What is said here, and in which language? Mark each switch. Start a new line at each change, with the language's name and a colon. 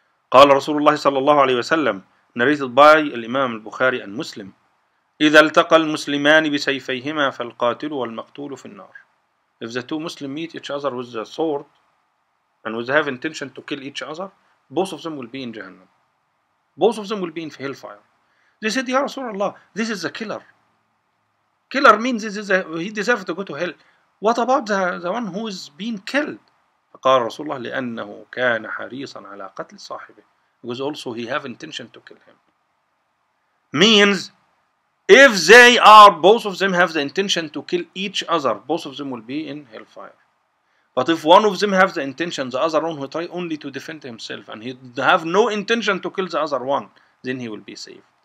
Arabic: قال رسول الله صلى الله عليه وسلم
English: narrated by
Arabic: الإمام البخاري
English: and Muslim,
Arabic: إذا التقى المسلمان بسيفيهما فالقاتل والمقتول في النار.
English: If the two Muslims meet each other with the sword and with have intention to kill each other, both of them will be in Jahannam. Both of them will be in hellfire. They said, Ya Rasulullah, this is a killer. Killer means this is he deserves to go to hell. What about the one who is being killed?
Arabic: قال رسول الله لأنه كان حريصا على قتل صاحبه.
English: Because also he have intention to kill him. Means, if they are, both of them have the intention to kill each other, both of them will be in hellfire. But if one of them have the intention, the other one will try only to defend himself, and he have no intention to kill the other one, then he will be saved.